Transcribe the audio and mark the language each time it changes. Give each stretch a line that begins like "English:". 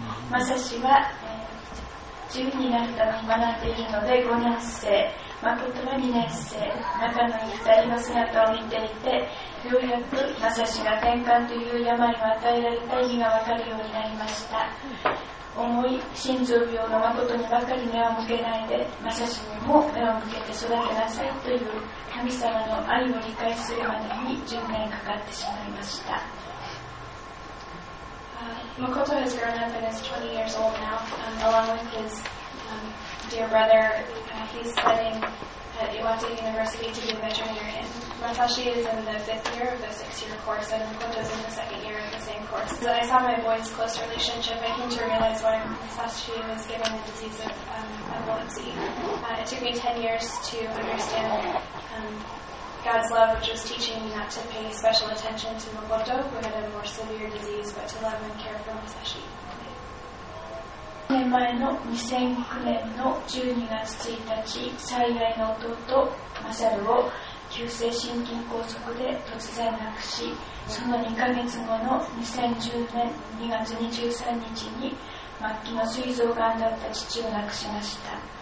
Japanese: まさしは10になったのに学んでいるので5年生、誠は2年生仲のいい2人の姿を見ていて、ようやくまさしが転換という病を与えられた意味が分かるようになりました。重い心臓病の誠にばかり目を向けないで、まさしにも目を向けて育てなさいという神様の愛を理解するまでに10年かかってしまいました。
English: Makoto has grown up and is 20 years old now, along with his dear brother. He's studying at Iwate University to be a veterinarian. Masashi is in the fifth year of the six-year course, and Makoto is in the second year of the same course. So I saw my boy's close relationship. I came to realize why Masashi was given the disease of epilepsy. It took me 10 years to understand God's love, which was teaching me not to pay special attention to Makoto, who had a more severe disease, but to love and care for Masashi.
Japanese: 2年前の2009年の12月1日、最愛の弟、マサルを急性心筋梗塞で突然亡くし、その2ヶ月後の2010年2月23日に末期の膵臓がんだった父を亡くしました。